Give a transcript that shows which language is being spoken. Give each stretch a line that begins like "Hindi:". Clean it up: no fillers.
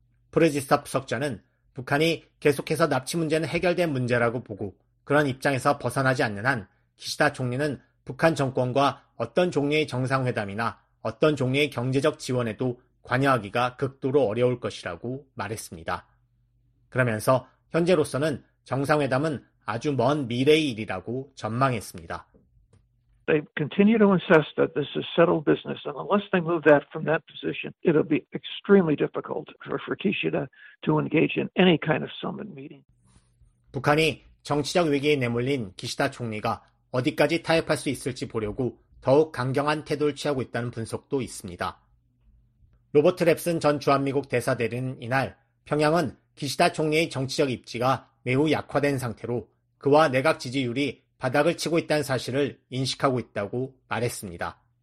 Korean: 프르지스탑 부석자는 북한이 계속해서 납치 문제는 해결된 문제라고 보고 그런 입장에서 벗어나지 않는 한 기시다 총리는 북한 정권과 어떤 종류의 정상회담이나 어떤 종류의 경제적 지원에도 관여하기가 극도로 어려울 것이라고 말했습니다. 그러면서 현재로서는 정상회담은 아주 먼 미래의 일이라고 전망했습니다.
English: They continue to insist that this is settled business, and unless they move that from that position, it'll be extremely difficult for Kishida to engage in any kind of summit meeting.
Korean: 북한이 정치적 위기에 내몰린 기시다 총리가 어디까지 타협할 수 있을지 보려고 더욱 강경한 태도를 취하고 있다는 분석도 있습니다. 로버트 랩슨 전 주한미국 대사대리는 이날 평양은 기시다 총리의 정치적 입지가 매우 약화된 상태로 그와 내각 지지율이 바닥을 치고 있다는 사실을 인식하고 있다고 말했습니다.